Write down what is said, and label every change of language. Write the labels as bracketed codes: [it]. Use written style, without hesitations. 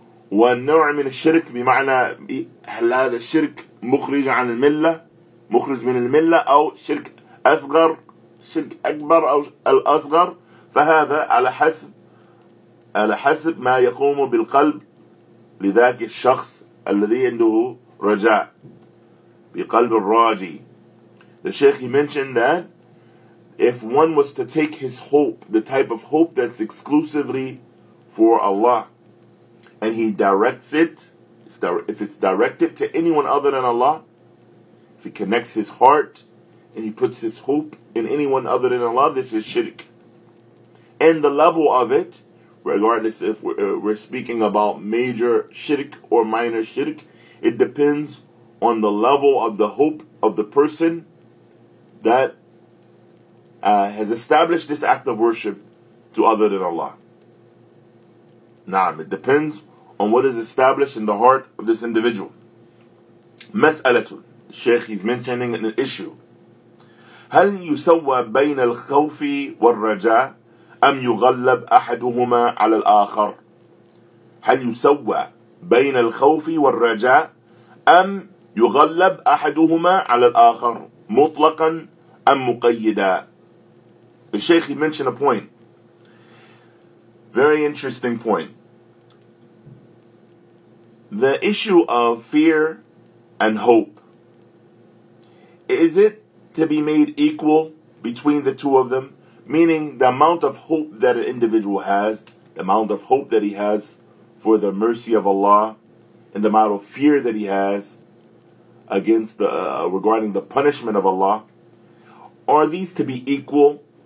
[ar] والنوع من الشرك بمعنى هل هذا الشرك مخرج عن الملة، مخرج من الملة، أو شرك أصغر، شرك أكبر أو الأصغر، فهذا على حسب ما يقوم بالقلب لذاك الشخص الذي عنده رجاء بقلب الراجي. [en] The Sheikh, he mentioned that if one was to take his hope, the type of hope that's exclusively for Allah, and he directs it, if it's directed to anyone other than Allah, if he connects his heart and he puts his hope in anyone other than Allah, this is shirk. And the level of it, regardless if we're speaking about major shirk or minor shirk, it depends on the level of the hope of the person that has established this act of worship to other than Allah. Naam, it depends on what is established in the heart of this individual. Mas'alatun, Sheikh is mentioning an issue. [ar] هل يسوى بين الخوف والرجاء أم يغلب أحدهما على الآخر؟ هل يسوى بين الخوف والرجاء أم يغلب أحدهما على الآخر مطلقا أم مقيدا؟ [en] The Sheikh, he mentioned a point. Very interesting point. The issue of fear and hope, is it to be made equal between the two of them? Meaning the amount of hope that an individual has, the amount of hope that he has for the mercy of Allah, and the amount of fear that he has against regarding the punishment of Allah, are these to be equal?